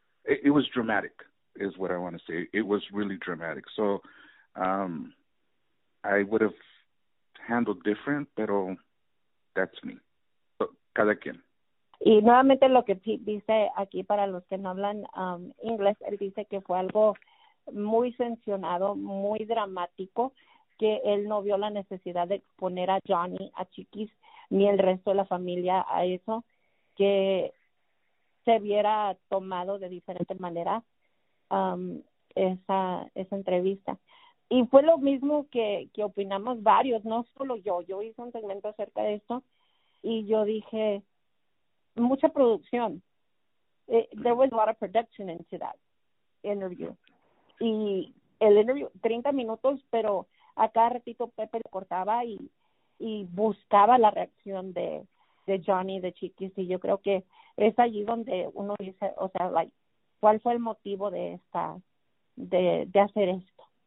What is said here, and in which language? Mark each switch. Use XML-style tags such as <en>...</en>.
<en>It was dramatic, is what I want to say. It was really dramatic. So I would have handled different,</en> <es>pero</es> <en>that's me. So,</en> <es>cada quien. Y nuevamente lo que Pete dice aquí para los que no hablan inglés, él dice que fue algo muy sensacionado, muy dramático, que él no vio la necesidad de exponer a Johnny, a Chiquis, ni el resto de la familia a eso, que se viera tomado de diferente manera esa entrevista. Y fue lo mismo que opinamos varios, no solo yo. Yo hice un segmento acerca de esto y yo dije, mucha producción.</es> <en>There was a lot of production into that interview.</en> <es>Y el interview, 30 minutos, pero a cada ratito Pepe le cortaba y buscaba la reacción de Johnny, de Chiquis. Y yo creo que es allí donde uno dice, o sea, like, ¿cuál fue el motivo de hacer esto?</es>